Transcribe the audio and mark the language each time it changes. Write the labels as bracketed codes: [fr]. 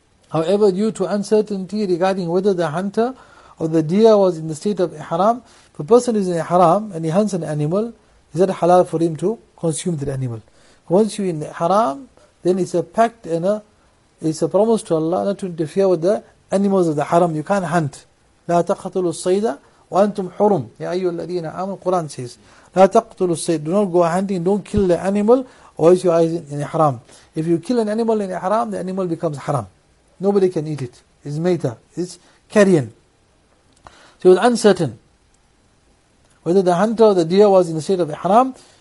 [en] However, due to uncertainty regarding whether the hunter or the deer was in the state of ihram, if a person is in ihram and he hunts an animal, is it halal for him to consume that animal? Once you're in ihram, then it's a pact and it's a promise to Allah not to interfere with the animals of the haram. You can't hunt. [ar] لا تقتلوا الصيد وأنتم حرم. يا أيها الذين آمنوا. [en] Quran says, [ar] لا تقتلوا الصيد. [en] Do not go hunting, don't kill the animal, or else you are in ihram. If you kill an animal in ihram, the animal becomes haram. Nobody can eat it. It's meta, it's carrion. So it was uncertain whether the hunter or the deer was in the state of ihram.